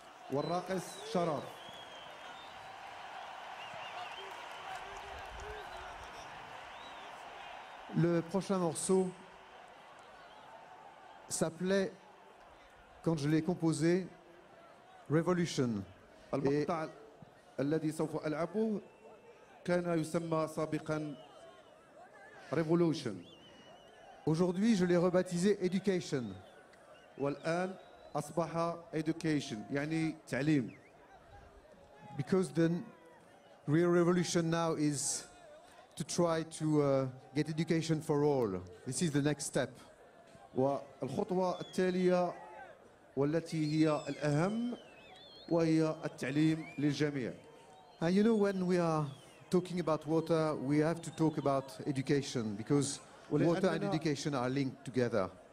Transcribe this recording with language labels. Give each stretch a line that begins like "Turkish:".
French: Warraqis Sharaf. Le prochain morceau s'appelait, quand je l'ai composé, Revolution.
Arabic: Et الذي سوف ألعبه كان يسمى سابقا Revolution.
French: Aujourd'hui, je l'ai rebaptisé Education.
Arabic: والآن أصبح Education, يعني تعليم.
English: Because the real revolution now is to try to get education for all. This is the next step.
Arabic: والخطوة التالية والتي هي الأهم وهي التعليم للجميع.
English: And you know, when we are talking about water, we have to talk about education, because water and education are linked together.